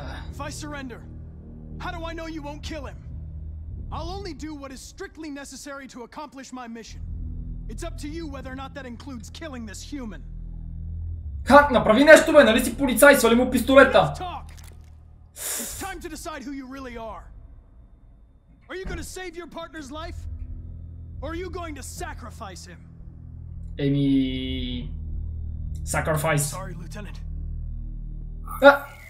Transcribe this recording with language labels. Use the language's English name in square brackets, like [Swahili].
[English] If I surrender, how do I know you won't kill him? I'll only do what is strictly necessary to accomplish my mission. It's up to you whether or not that includes killing this human. [Bulgarian] Ха, направи нещо, бе, нали си полицай, свали му пистолета. [English] It's time to decide who you really are. Are you going to save your partner's life? Or are you going to sacrifice him? Amy... Sacrifice. I'm sorry, Lieutenant. Ah!